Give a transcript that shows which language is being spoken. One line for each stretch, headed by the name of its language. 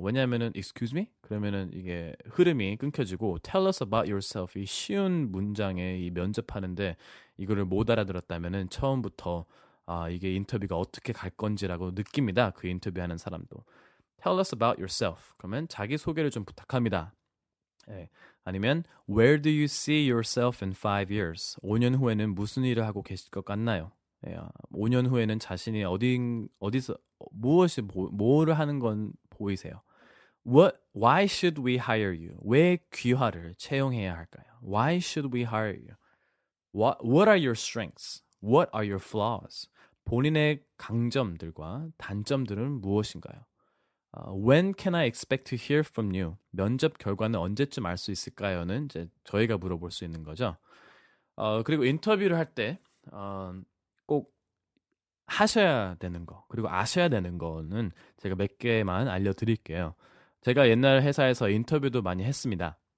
Korean: 왜냐하면은
English: Excuse me?
Korean: 그러면은 이게 흐름이 끊겨지고
English: Tell us about yourself.
Korean: 이 쉬운 문장에 이 면접하는데 이거를 못 알아들었다면은 처음부터 이게 인터뷰가 어떻게 갈 건지라고 느낍니다. 그 인터뷰하는 사람도.
English: Tell us about yourself.
Korean: 그러면 자기 소개를 좀 부탁합니다. 예. 아니면
English: Where do you see yourself in 5 years?
Korean: 5년 후에는 무슨 일을 하고 계실 것 같나요? 예, 5년 후에는 자신이 어디서 무엇이 뭐를 하는 건 보이세요?
English: Why should we hire you?
Korean: 왜 귀화를 채용해야 할까요?
English: Why should we hire you? What are your strengths? What are your flaws?
Korean: 본인의 강점들과 단점들은 무엇인가요?
English: When can I expect to hear from you?
Korean: 면접 결과는 언제쯤 알수 있을까요?는 이제 저희가 물어볼 수 있는 거죠. 그리고 인터뷰를 할 때, 꼭 하셔야 되는 거, 그리고 아셔야 되는 거는 제가 몇 개만 알려드릴게요. 제가 옛날 회사에서 인터뷰도 많이 했습니다.